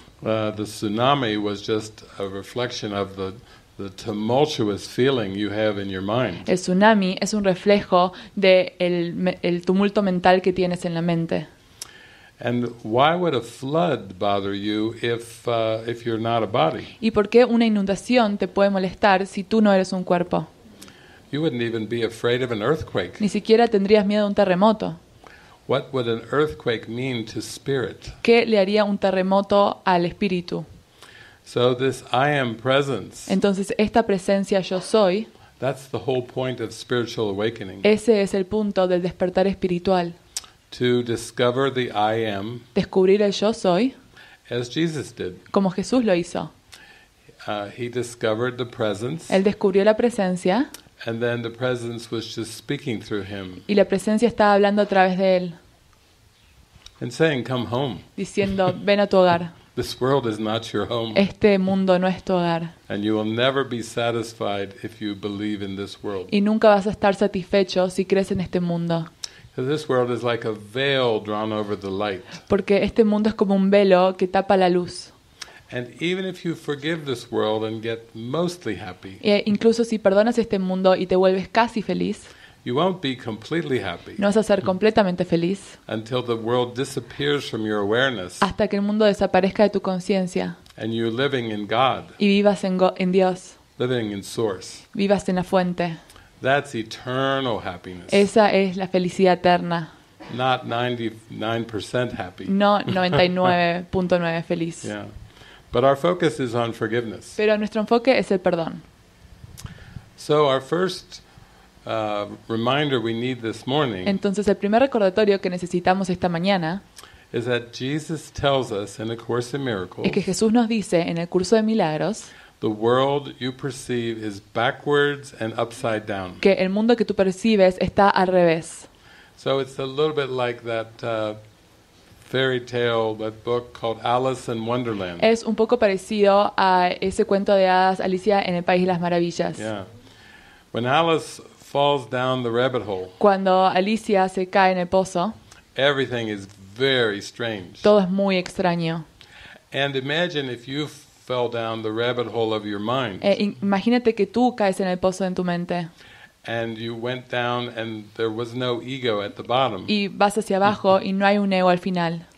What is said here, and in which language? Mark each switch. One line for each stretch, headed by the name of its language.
English: The tsunami was just a reflection of the tumultuous feeling you have in your mind.
Spanish: El tsunami es un reflejo de el tumulto mental que tienes en la mente.
English: And why would a flood bother you if you're not a body?
Spanish: ¿Y por qué una inundación te puede molestar si tú no eres un cuerpo?
English: You wouldn't even be afraid of an earthquake.
Spanish: Ni siquiera tendrías miedo a un terremoto.
English: What would an earthquake mean to spirit?
Spanish: ¿Qué le haría un terremoto al espíritu?
English: So this I am presence.
Spanish: Entonces esta presencia yo soy.
English: That's the whole point of spiritual awakening.
Spanish: Ese es el punto del despertar espiritual.
English: To discover the I am.
Spanish: Descubrir el yo soy.
English: as Jesus did.
Spanish: Como Jesús lo hizo.
English: He discovered the presence.
Spanish: Él descubrió la presencia.
English: And then the presence was just speaking through him.
Spanish: Y la presencia estaba hablando a través de él.
English: And saying, "Come home."
Spanish: Diciendo, ven a tu hogar.
English: This world is not your home.
Spanish: Este mundo no es tu hogar.
English: And you will never be satisfied if you believe in this world.
Spanish: Y nunca vas a estar satisfecho si crees en este mundo.
English: Because this world is like a veil drawn over the light.
Spanish: Porque este mundo es como un velo que tapa la luz.
English: And even if you forgive this world and get mostly happy.
Spanish: E incluso si perdonas este mundo y te vuelves casi feliz.
English: You won't be completely happy.
Spanish: No vas a ser completamente feliz.
English: Until the world disappears from your awareness.
Spanish: Hasta que el mundo desaparezca de tu conciencia.
English: And you're living in God.
Spanish: Y vivas en Dios.
English: Living in source.
Spanish: Vivas en la fuente.
English: That's eternal happiness.
Spanish: Esa es la felicidad eterna.
English: Not 99% happy.
Spanish: No 99.9 feliz.
English: Yeah. But our focus is on forgiveness.
Spanish: Pero nuestro enfoque es el perdón.
English: So our first reminder we need this morning.
Spanish: Entonces el primer recordatorio que necesitamos esta mañana
English: is that Jesus tells us in a course of miracles.
Spanish: Es que Jesús nos dice en el curso de milagros.
English: The world you perceive is backwards and upside down.
Spanish: Que el mundo que tú percibes está al revés.
English: So it's a little bit like that fairy tale, that book called Alice in Wonderland.
Spanish: Es un poco parecido a ese cuento de hadas Alicia en el País de las Maravillas.
English: Yeah. When Alice falls down the rabbit hole.
Spanish: Cuando Alicia se cae en el pozo.
English: Everything is very strange.
Spanish: Todo es muy extraño.
English: And imagine if you fell down the rabbit hole of your mind.
Spanish: Imagínate que tú caes en el pozo en tu mente.
English: And you went down and there was no ego at the bottom.
Spanish: Y vas hacia abajo y no hay un ego al final.